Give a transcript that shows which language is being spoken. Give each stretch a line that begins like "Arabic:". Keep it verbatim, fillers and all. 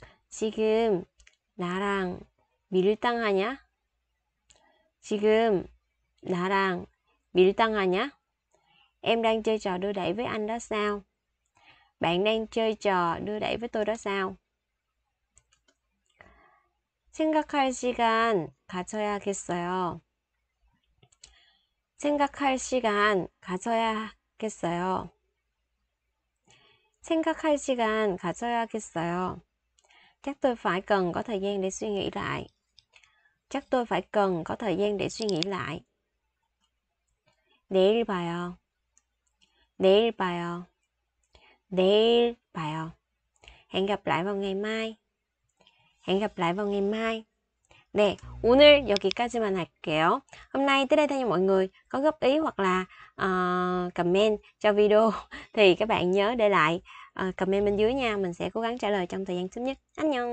Korean: 지금 나랑 밀당하냐? 지금 나랑 밀당하냐?
Vietnamese: Em đang chơi trò đưa đẩy với anh đó sao? Bạn đang chơi trò đưa đẩy với tôi đó sao?
Korean: 생각할 시간 가져야겠어요. 생각할 시간 가져야겠어요. 생각할 시간 가져야겠어요.
Vietnamese: Chắc tôi phải cần có thời gian để suy nghĩ lại. Chắc tôi phải cần có thời gian để suy nghĩ lại.
Korean: 내일 봐요. 내일 봐요. 내일 봐요.
Vietnamese: Hẹn gặp lại vào ngày mai. Hẹn gặp lại vào ngày mai.
Korean: 네, 오늘 여기까지만 할게요.
Vietnamese: Hôm nay tới đây thôi nha mọi người. Có góp ý hoặc là ờ, comment cho video thì các bạn nhớ để lại ờ, comment bên dưới nha. Mình sẽ cố gắng trả lời trong thời gian sớm nhất.
Korean: 안녕.